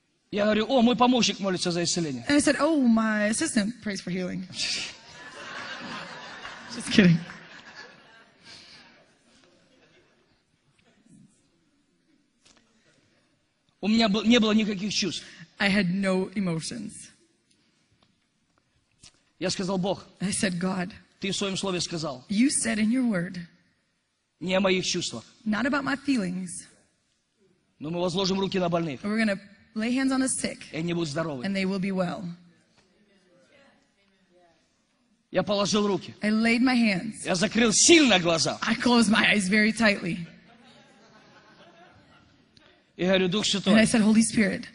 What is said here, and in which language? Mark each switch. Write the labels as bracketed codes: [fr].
[ru] Я говорю, о, мой помощник молится за исцеление. [en] And I said, oh, my assistant prays for healing. Just kidding. [ru] У меня не было никаких чувств. [en] I had no emotions. [ru] Я сказал, Бог. [en] I said, God. [ru] Ты в своем слове сказал. [en] You said in your word. [ru] Не о моих чувствах. [en] Not about my feelings. [ru] Но мы возложим руки на больных. [en] We're gonna lay hands on the sick, and they will be well. [ru] Я положил руки. [en] I laid my hands. [ru] Я закрыл сильно глаза. [en] I closed my eyes very tightly. [ru] И говорю, Дух Святой, [en] and I said, Holy Spirit,